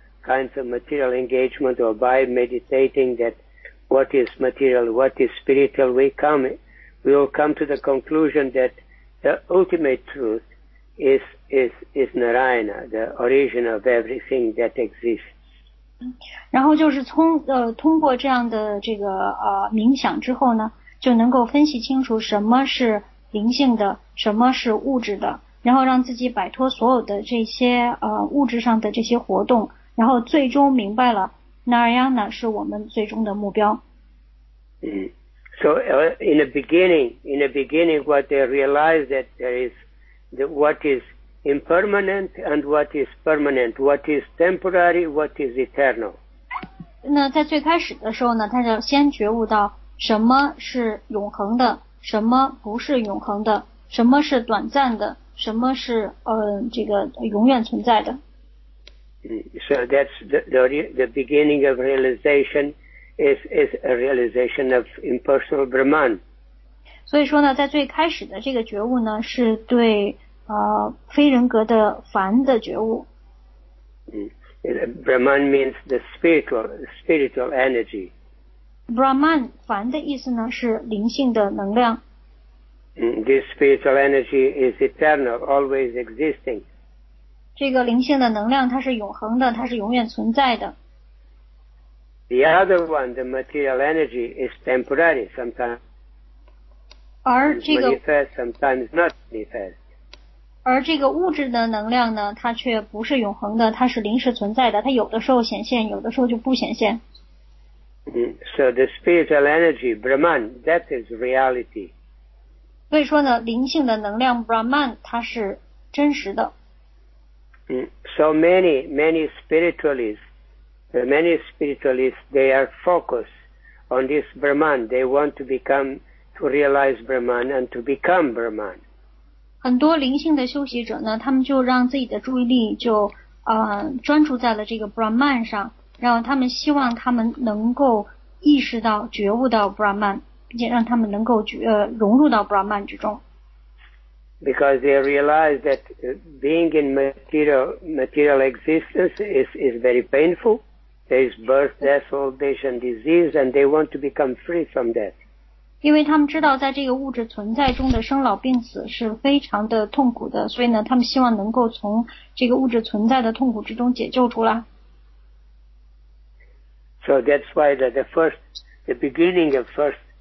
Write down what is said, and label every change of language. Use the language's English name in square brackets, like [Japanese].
[English] Kinds of material engagement or by meditating that what is material, what is spiritual, we will come to the conclusion that the ultimate truth is Narayana, the origin of everything that exists. [Chinese] 然后就是通过这样的这个冥想之后呢，就能够分析清楚什么是灵性的，什么是物质的，然后让自己摆脱所有的这些物质上的这些活动，然后最终明白了 Narayana 是我们最终的目标。 [English] So in the beginning what they realize that there is the, what is impermanent and what is permanent, what is temporary, what is eternal. [Chinese] 那在最开始的时候呢，他就先觉悟到什么是永恒的，什么不是永恒的，什么是短暂的，什么是这个永远存在的。 [English] So that's the beginning of realization is a realization of impersonal Brahman. [Chinese] 所以说呢，在最开始的这个觉悟呢，是对非人格的凡的觉悟。 [English] Brahman means the spiritual energy. [Chinese] Brahman 凡的意思呢，是灵性的能量。 [English] This spiritual energy is eternal, always existing. [Chinese] 这个灵性的能量它是永恒的，它是永远存在的。 [English] The other one, the material energy, is temporary sometimes. [Chinese] 而这个 [English] manifest, sometimes not manifest. [Chinese] 而这个物质的能量呢，它却不是永恒的，它是临时存在的，它有的时候显现，有的时候就不显现。 [English] So the spiritual energy, Brahman, that is reality. [Chinese] 所以说呢，灵性的能量 Brahman, 它是真实的。 [English] So many spiritualists, they are focused on this Brahman. They want to become, to realize Brahman and to become Brahman. [Chinese] 很多灵性的修习者呢，他们就让自己的注意力就专注在了这个 Brahman 上，然后他们希望他们能够意识到、觉悟到 Brahman， 并且让他们能够融入到 Brahman 之中。 [English] Because they realize that being in material existence is very painful. There is birth, death, old age, and disease, and they want to become free from that. [Chinese] 因为他们知道在这个物质存在中的生老病死是非常的痛苦的，所以呢，他们希望能够从这个物质存在的痛苦之中解救出来。 [English] So that's why the beginning of first.